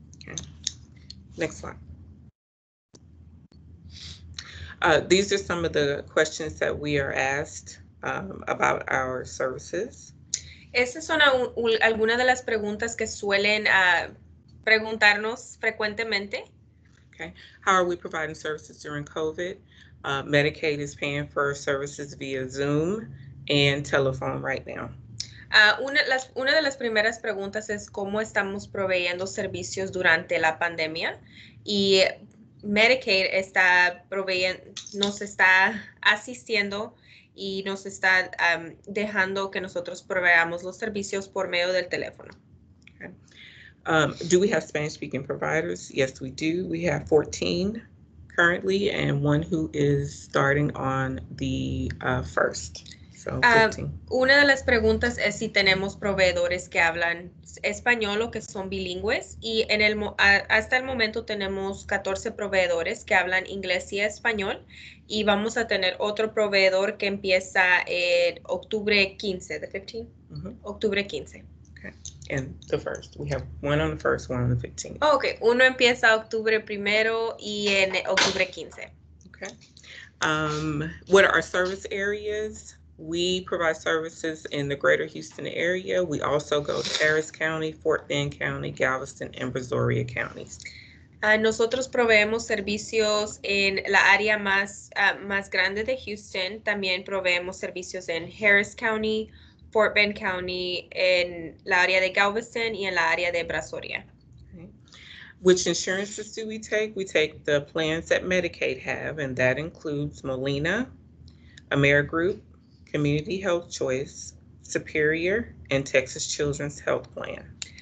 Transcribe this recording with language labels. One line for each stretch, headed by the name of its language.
English: Okay. Next slide. These are some of the questions that we are asked about our services.
Spanish: Estas son algunas de las preguntas que suelen preguntarnos frecuentemente.
English: Okay. How are we providing services during COVID? Medicaid is paying for services via Zoom and telephone right now.
Spanish: Una de las primeras preguntas es cómo estamos proveyendo servicios durante la pandemia. Y Medicaid está proveyendo, nos está asistiendo y nos está dejando que nosotros proveamos los servicios por medio del teléfono.
English: Do we have Spanish-speaking providers? Yes, we do. We have 14 currently and one who is starting on the 1st. So 15.
Spanish: Una de las preguntas es si tenemos proveedores que hablan español o que son bilingües. Y hasta el momento tenemos 14 proveedores que hablan inglés y español. Y vamos a tener otro proveedor que empieza en octubre 15.
English: The 15? Mm-hmm.
Spanish: Octubre 15.
English: And the 1st. We have one on the 1st, one on the 15th.
Spanish: Oh, okay. Uno empieza octubre primero y en octubre 15.
English: Okay. What are our service areas? We provide services in the greater Houston area. We also go to Harris County, Fort Bend County, Galveston, and Brazoria counties.
Spanish: Nosotros proveemos servicios en la área más grande de Houston. También proveemos servicios en Harris County, Fort Bend County, in la área de Galveston, y en la área de Brazoria.
English: Okay. Which insurances do we take? We take the plans that Medicaid have, and that includes Molina, Amerigroup, Community Health Choice, Superior, and Texas Children's Health Plan.